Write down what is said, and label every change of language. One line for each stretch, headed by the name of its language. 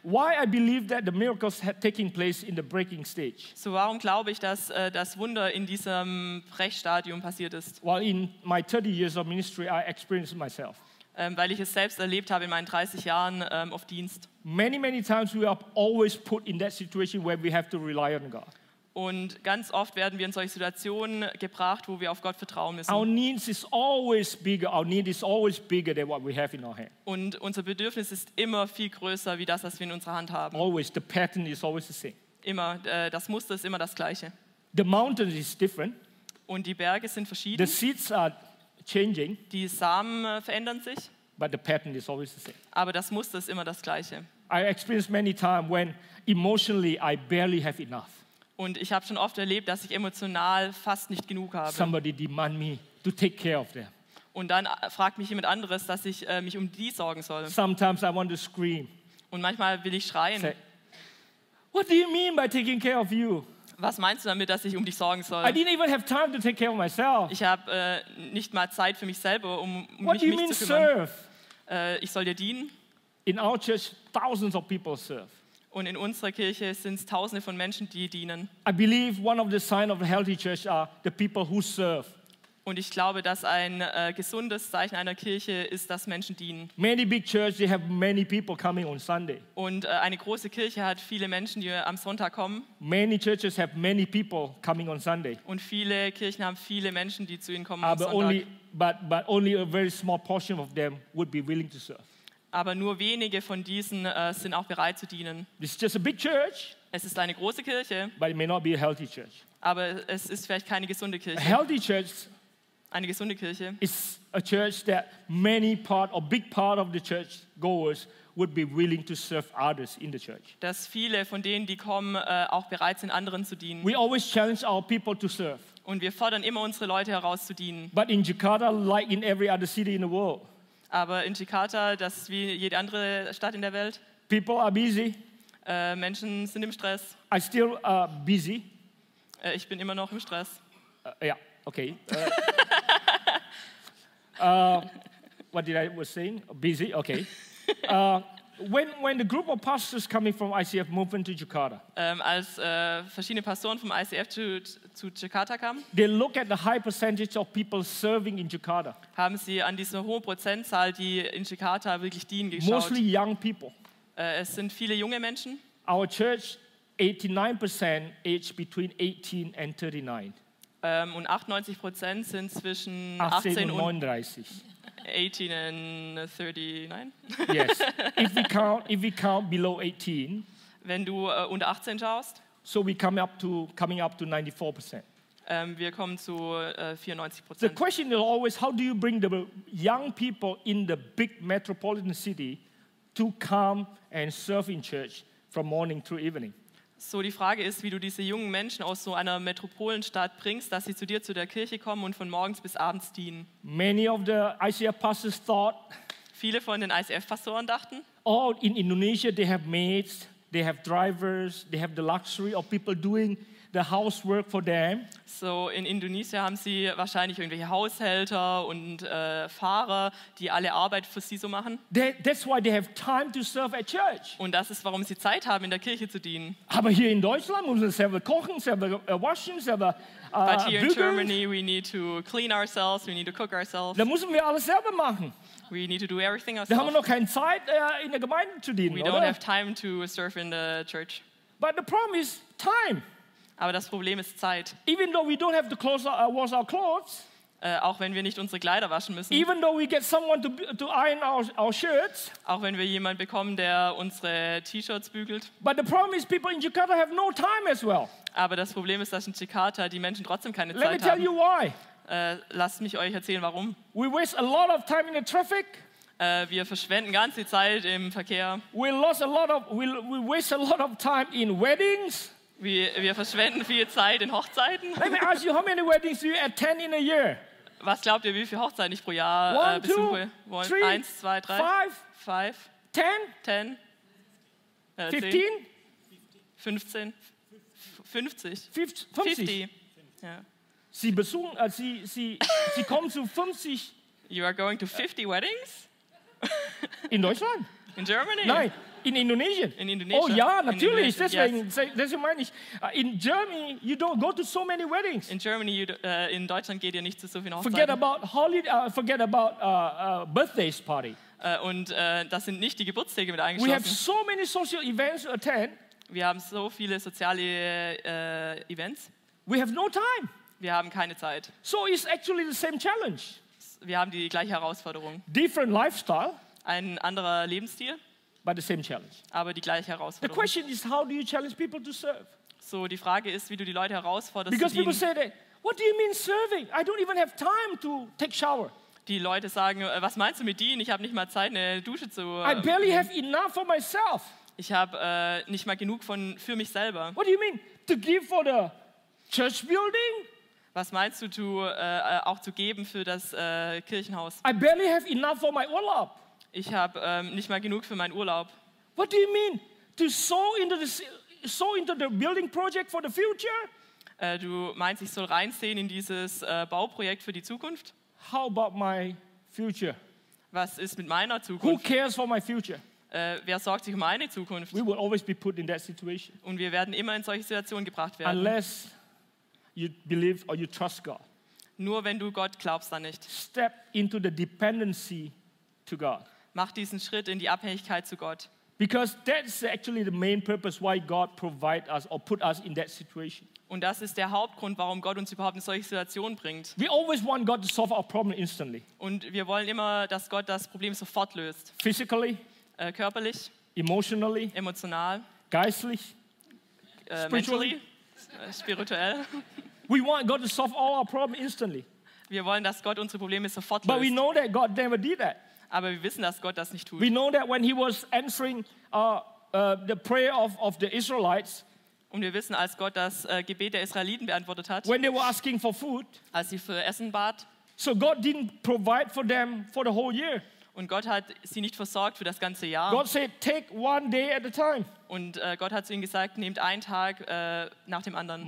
English: Why I believe that the miracles had taken place in the breaking stage.
German: So warum glaube ich, dass das Wunder in diesem Brechstadium passiert ist?
English: Well, in my 30 years of ministry, I experienced it myself.
German: Weil ich es selbst erlebt habe in meinen 30 Jahren auf Dienst.
English: Many, many times we are always put in that situation where we have to rely on God.
German: Und ganz oft werden wir in solche Situationen gebracht, wo wir auf Gott vertrauen müssen.
English: Our needs is always bigger. Our need is always bigger than what we have in our hand.
German: Und unser Bedürfnis ist immer viel größer wie das, was wir in unserer Hand haben.
English: Always the pattern is always the same.
German: Immer das Muster ist immer das gleiche.
English: The mountain is different.
German: Und die Berge sind verschieden.
English: The seeds are changing.
German: Die Samen verändern sich.
English: But the pattern is always the same.
German: Aber das Muster ist immer das gleiche.
English: I experienced many times when emotionally I barely have enough.
German: Und ich habe schon oft erlebt, dass ich emotional fast nicht genug habe.
English: Somebody demand me to take care of them.
German: Und dann fragt mich jemand anderes, dass ich mich um die sorgen soll.
English: Sometimes I want to scream.
German: Und manchmal will ich schreien.
English: Say, what do you mean by taking care of you?
German: Was meinst du damit, dass ich um dich sorgen soll?
English: I didn't even have time to take care of myself.
German: Ich habe nicht mal Zeit für mich selber, um
English: what
German: mich zu kümmern.
English: What do you mean serve?
German: Ich soll dir dienen?
English: In our church, thousands of people serve.
German: Und in unserer Kirche sind es Tausende von Menschen, die dienen.
English: I believe one of the signs of a healthy church are the people who serve.
German: Und ich glaube, dass ein gesundes Zeichen einer Kirche ist, dass Menschen dienen.
English: Many big churches, they have many people coming on Sunday.
German: Und eine große Kirche hat viele Menschen, die am Sonntag kommen.
English: Many churches have many people coming on Sunday.
German: Und viele Kirchen haben viele Menschen, die zu ihnen kommen am Sonntag.
English: But only a very small portion of them would be willing to serve.
German: Aber nur wenige von diesen sind auch bereit zu dienen.
English: It's just a big church.
German: Es ist eine große Kirche.
English: But it may not be a healthy church.
German: Aber es ist vielleicht keine gesunde Kirche.
English: A healthy church.
German: Eine gesunde Kirche.
English: It's a church that many part or big part of the church goers would be willing to serve others in the church.
German: Dass viele von denen, die kommen, auch bereit sind, anderen zu dienen.
English: We always challenge our people to serve.
German: Und wir fordern immer unsere Leute heraus zu dienen.
English: But in Jakarta, like in every other city in the world.
German: Aber in Jakarta, das ist wie jede andere Stadt in der Welt.
English: People are busy.
German: Menschen sind im Stress.
English: I still are busy.
German: Ich bin immer noch im Stress.
English: Yeah. Okay. what did I was saying? Busy. Okay. When the group of pastors coming from ICF moved into Jakarta.
German: Als verschiedene Pastoren vom ICF zu Jakarta kamen.
English: They look at the high percentage of people serving in Jakarta.
German: Haben sie an diese hohe Prozentzahl, die in Jakarta wirklich dienen, geschaut?
English: Mostly young people.
German: Es sind viele junge Menschen.
English: Our church, 89% age between 18 and 39.
German: Und 98% sind zwischen 18 und 39.
English: 18 and 39. Yes. If we count below 18.
German: Wenn du unter 18 schaust.
English: So we coming up to 94%.
German: Wir kommen zu 94%.
English: The question is always, how do you bring the young people in the big metropolitan city to come and serve in church from morning through evening?
German: So die Frage ist, wie du diese jungen Menschen aus so einer Metropolenstadt bringst, dass sie zu dir zu der Kirche kommen und von morgens bis abends dienen.
English: Many of the ICF pastors thought.
German: Viele von den ICF-Pastoren dachten.
English: Oh, in Indonesia they have maids, they have drivers, they have the luxury of people doing the housework for them.
German: So in Indonesia haben sie wahrscheinlich irgendwelche Haushälter und Fahrer, die alle Arbeit für sie so machen.
English: That's why they have time to serve at church.
German: Und das ist, warum sie Zeit haben, in der Kirche zu dienen. Aber hier in Deutschland müssen wir selber kochen, selber waschen, selber
English: But here bügeln. In Germany we need to clean ourselves, we need to cook ourselves.
German: Da müssen wir alles selber machen.
English: We need to do everything ourselves.
German: Da haben wir noch keine Zeit, in der Gemeinde zu dienen,
English: we
German: oder?
English: Don't have time to serve in the church. But the problem is time.
German: Aber das Problem ist Zeit.
English: Even though we don't have to wash our clothes,
German: auch wenn wir nicht unsere Kleider waschen müssen.
English: Even though we get someone to iron our shirts,
German: auch wenn wir jemanden bekommen, der unsere T-Shirts bügelt.
English: But the problem is people in Jakarta have no time as well.
German: Aber das Problem ist, dass in Jakarta die Menschen trotzdem keine
English: Let me
German: haben.
English: Tell you why.
German: Lasst mich euch erzählen, warum.
English: We waste a lot of time in the traffic.
German: Wir verschwenden ganze Zeit im Verkehr.
English: We waste a lot of time in weddings.
German: Wir verschwenden viel Zeit in Hochzeiten.
English: Let me ask you, how many weddings do you attend in a year?
German: Was glaubt ihr, wie viele Hochzeiten ich pro Jahr
English: One,
German: besuche?
English: Two, One, three,
German: eins, zwei, drei,
English: five, ten, ten, 15, 15, 50, 50.
German: Ja. Sie besuchen, sie kommen zu 50.
English: You are going to 50 weddings?
German: In Deutschland?
English: In Germany?
German: Nein. In Indonesien?
English: In Indonesia.
German: Oh ja, natürlich. Deswegen meine ich.
English: In Germany, you don't go to so many weddings. In Germany,
German: in Deutschland geht ihr nicht zu so vielen
English: Hochzeiten. Forget about birthday's party.
German: Das sind nicht die Geburtstage mit eingeschlossen.
English: We have so many social events to attend.
German: Wir haben so viele soziale Events.
English: We have no time.
German: Wir haben keine Zeit.
English: So it's actually the same challenge.
German: Wir haben die gleiche Herausforderung.
English: Different lifestyle.
German: Ein anderer Lebensstil.
English: But the same challenge.
German: Aber die gleiche Herausforderung.
English: The question is, how do you challenge people to serve?
German: So die Frage ist, wie du die Leute herausforderst.
English: Because people say that, what do you mean serving? I don't even have time to take shower.
German: Die Leute sagen, was meinst du mit dienen? Ich habe nicht mal Zeit, eine Dusche zu.
English: I barely have enough for myself.
German: Ich habe nicht mal genug für mich selber.
English: What do you mean to give for the church building?
German: Was meinst du, auch zu geben für das Kirchenhaus?
English: I barely have enough for my Urlaub.
German: Ich habe nicht mal genug für meinen Urlaub.
English: What do you mean to sow into the building project for the future?
German: Du meinst, ich soll reinsehen in dieses Bauprojekt für die Zukunft?
English: How about my future?
German: Was ist mit meiner Zukunft?
English: Who cares for my future?
German: Wer sorgt sich um meine Zukunft?
English: We will always be put in that situation.
German: Und wir werden immer in solche Situationen gebracht werden.
English: Unless you believe or you trust God.
German: Nur wenn du Gott glaubst, dann nicht.
English: Step into the dependency to God.
German: Mach diesen Schritt in die Abhängigkeit zu Gott.
English: Because that's actually the main purpose why God provide us or put us in that situation.
German: Und das ist der Hauptgrund, warum Gott uns überhaupt in solche Situationen bringt.
English: We always want God to solve our problem instantly.
German: Und wir wollen immer, dass Gott das Problem sofort löst.
English: Physically.
German: Körperlich.
English: Emotionally.
German: Emotional. Geistlich.
English: Mentally. Spirituell. We want God to solve all our problems instantly.
German: Wir wollen, dass Gott unsere Probleme sofort löst.
English: But we know that God never did that.
German: Aber wir wissen, dass Gott das nicht tut.
English: We know that when he was answering the prayer of the Israelites.
German: Und wir wissen, als Gott das Gebet der Israeliten beantwortet hat.
English: When they were asking for food.
German: Als sie für Essen bat.
English: So God didn't provide for them for the whole year.
German: Und Gott hat sie nicht versorgt für das ganze Jahr.
English: God said, take one day at a time.
German: Und Gott hat zu ihnen gesagt, nehmt einen Tag nach dem anderen.